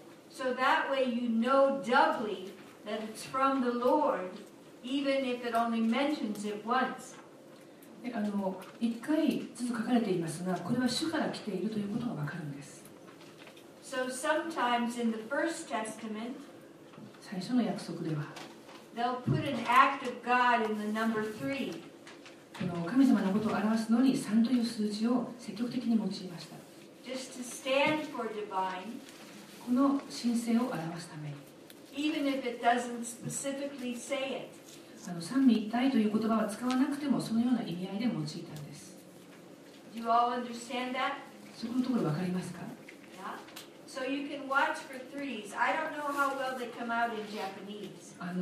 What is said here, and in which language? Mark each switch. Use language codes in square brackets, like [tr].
[en] So that way you know doubly that it's from the Lord even if it only mentions it once。 [ja] 一回ずつ書かれていますが、これは主から来ているということがわかるんです。 [en] So sometimes in the first testament [ja] 最初の約束では、 [en] They'll put an act of God in the number three. [ja] この神様のことを表すのに3という数字を積極的に用いました。 [en] Just to stand for divine. [ja] この神性を表すために。 [en] Even if it doesn't specifically say it. [ja] 三位一体という言葉は使わなくてもそのような意味合いで用いたんです。 [en] Do you all understand that? [ja] そこのところ分かりますか？ [en] So you can watch for threes. I don't know how well they come out in Japanese.